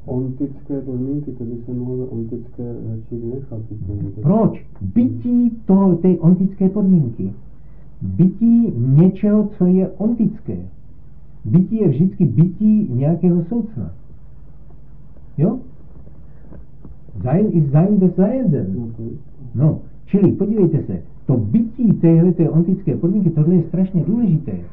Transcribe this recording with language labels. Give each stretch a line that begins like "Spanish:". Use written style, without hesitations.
Czech: Ontické podmínky, to by se mohlo ontické radši vynechat. Proč? Bytí té ontické podmínky. Bytí něčeho, co je ontické. Bytí je vždycky bytí nějakého soucna. Jo?
German: Sein ist sein des Seienden.
Czech: No, čili podívejte se, to bytí téhleté ontické podmínky, tohle je strašně důležité.